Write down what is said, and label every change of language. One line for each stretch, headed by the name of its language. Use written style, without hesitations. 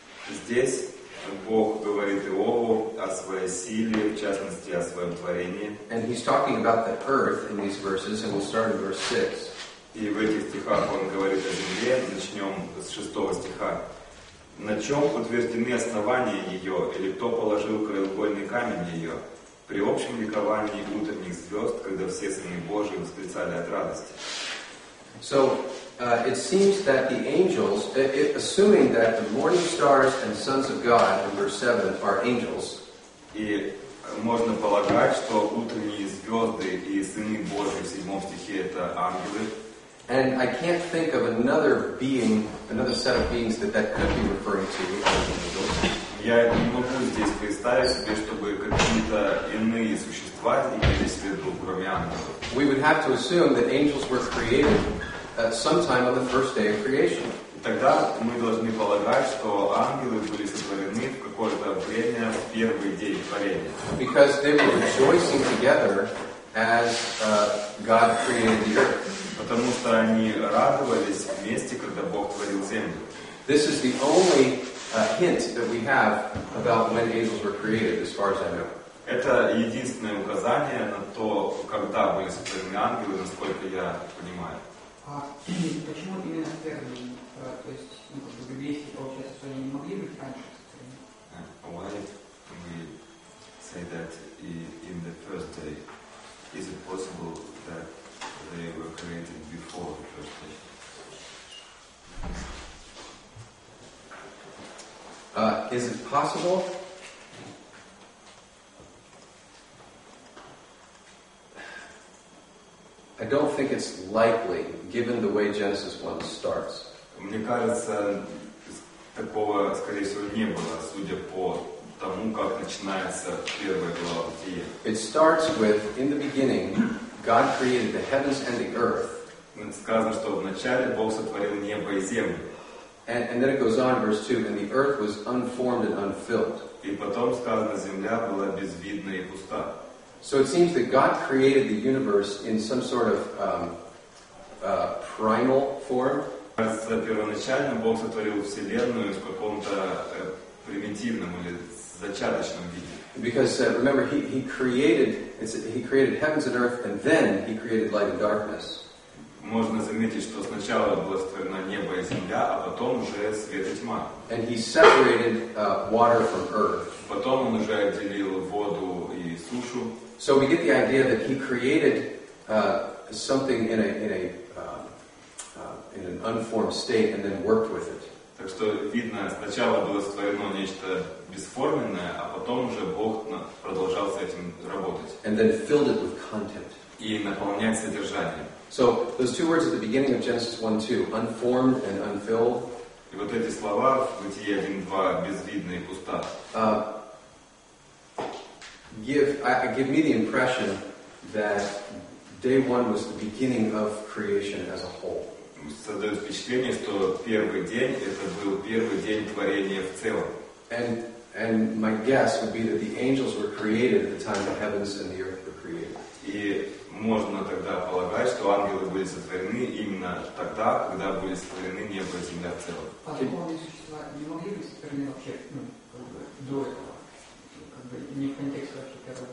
Russian: Здесь Бог говорит Иову о своей силе, в частности, о своем творении.
English: And he's talking about the earth in these verses, and we'll start in verse 6.
Russian: И в этих стихах он говорит о земле, начнем с 6 стиха. На чем утверждены основания ее, или кто положил краеугольный камень ее? При общем ликовании утренних звезд, когда все сыны Божии восклицали от радости.
English: So, it seems that the angels, assuming that the morning stars and sons of God, in verse 7, are angels.
Russian: И можно полагать, что утренние звезды и сыны Божии в 7 стихе это ангелы.
English: And I can't think of another being, another set of beings that could be referring to as angels.
Russian: Я не могу здесь представить себе, чтобы какие-то иные существа имелись в виду, кроме ангелов.
English: We would have to assume that angels were created sometime on the first day of creation.
Russian: Тогда мы должны полагать, что ангелы были сотворены в какое-то время в первый день творения.
English: Because they were rejoicing together as God created the earth.
Russian: Потому что они радовались вместе, когда Бог творил землю.
English: This is the only hint that we have about when angels were created, as far as I know.
Russian: Это единственное указание на то, когда были сотворены ангелы, насколько я понимаю. А почему именно термин, то есть, ну, как бы библейский, получается, что они не могли быть раньше сотворены?
English: Why we say that in the first day? Is it possible that they were created before the first day? Is it possible? I don't think it's likely, given the way Genesis 1 starts.
Russian: Мне кажется, такого, скорее всего, не было, судя по тому, как начинается первая глава Бытия.
English: It starts with, in the beginning, God created the heavens and the earth.
Russian: Сказано, что вначале Бог сотворил небо и землю.
English: And then it goes on, verse 2, and the earth was unformed and unfilled.
Russian: И потом сказано, земля была безвидна и пуста.
English: So it seems that God created the universe in some sort of primal form.
Russian: Кажется, первоначально Бог сотворил Вселенную в каком-то примитивном или зачаточном виде.
English: Because, remember, he created heavens and earth, and then he created light and darkness.
Russian: Можно заметить, что сначала было створено небо и земля, а потом уже свет и тьма.
English: And he separated water from earth.
Russian: Потом он уже отделил воду и сушу.
English: So we get the idea that he created something in an unformed state and then worked with it.
Russian: Так что видно, сначала было створено нечто бесформенное, а потом уже Бог продолжал с этим работать.
English: And then filled it with content.
Russian: И наполнять содержанием.
English: So those two words at the beginning of Genesis 1:2, unformed and unfilled.
Russian: И вот эти слова в Бытие 1:2, безвидные, пуста.
English: Give me the impression that day one was the beginning of creation as a whole.
Russian: Создает впечатление, что первый день это был первый день творения в целом.
English: And my guess would be that the angels were created at the time the heavens and the earth were created.
Russian: И можно тогда полагать, что ангелы были сотворены именно тогда, когда были сотворены небо и земля в целом. А другие существа не могли быть сотворены вообще, ну, как бы, до этого? Как бы, не в контексте вообще первого